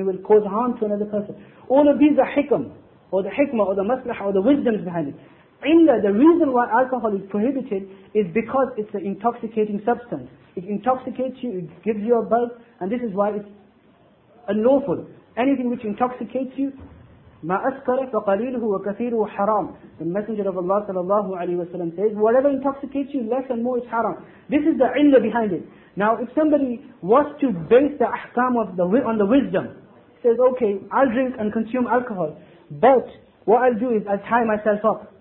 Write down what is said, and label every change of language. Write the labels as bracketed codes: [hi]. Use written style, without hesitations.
[en] He will cause harm to another person. All of these are hikam, or the hikmah, or the maslaha, or the wisdom behind it. Illah, the reason why alcohol is prohibited is because it's an intoxicating substance. It intoxicates you, it gives you a buzz, and this is why it's unlawful. Anything which intoxicates you, [ar] ما أسكره فقليله وكثيره حرام. [en] The Messenger of Allah sallallahu alaihi wasallam says, whatever intoxicates you, less and more is haram. This is the illah behind it. Now, if somebody was to base the ahkam of on the wisdom, says, okay, I'll drink and consume alcohol, but what I'll do is I'll tie myself up.